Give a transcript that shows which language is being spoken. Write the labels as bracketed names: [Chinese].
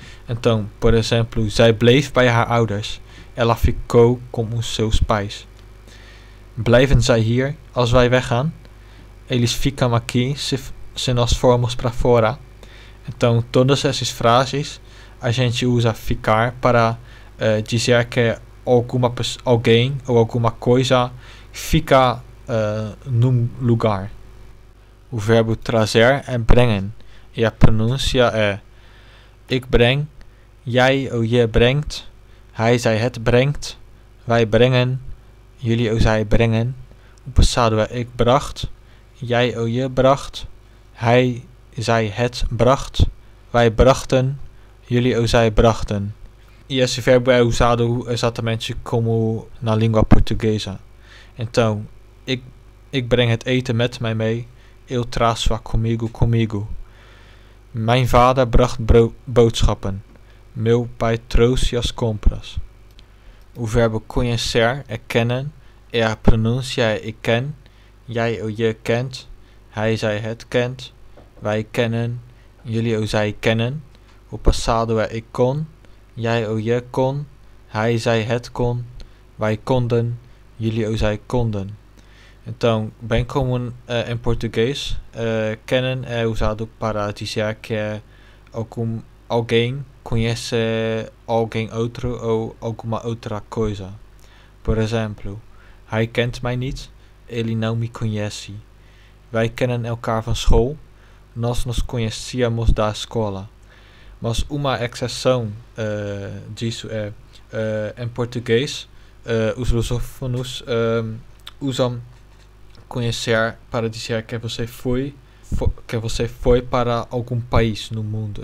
[Portuguese] Então, por exemplo, [Dutch] zij bleef bij haar ouders. [Portuguese] Ela ficou com os seus pais. [Dutch] Blijven zij hier als wij weggaan? [Portuguese] Eles ficam aqui se nós formos para fora. Então, todas essas frases a gente usa ficar para dizer que alguém ou alguma coisa fica num lugar. O verbo trazer é brengen. E a pronúncia é [Dutch] ik breng, jij ou je brengt, hij zij het brengt, wij brengen, jullie ou zij brengen. [Portuguese] O passado é [Dutch] ik bracht, jij ou je bracht, hij zij het bracht, wij brachten, jullie ou zij brachten. [Portuguese] E esse verbo é usado exatamente como na língua portuguesa. [Dutch] Então, ik breng het eten met mij mee. [Portuguese] Eu traço a comigo. [Dutch] Mijn vader bracht boodschappen. [Portuguese] Meu pai trouxe as compras. O verbo conhecer é kennen. E a pronúncia é [Dutch] ik ken. Jij ou je kent. Hij, zij, het kent. Wij kennen. Jullie ou zij kennen. [Portuguese] O passado é [Dutch] ik kon. Jij ou je kon. Hij, zij, het kon. Wij konden. Jullie ou zij konden. [Portuguese] Então, bem como em português, kennen é usado para dizer que alguém conhece alguém outro ou alguma outra coisa. Por exemplo, [Dutch] hij kent mij niet, [Portuguese] ele não me conhece. [Dutch] Wij kennen elkaar van school. [Portuguese] Nós nos conhecíamos da escola. Mas uma exceção disso é, em português, os lusófonos usam conhecer para dizer que você foi, que você foi para algum país no mundo.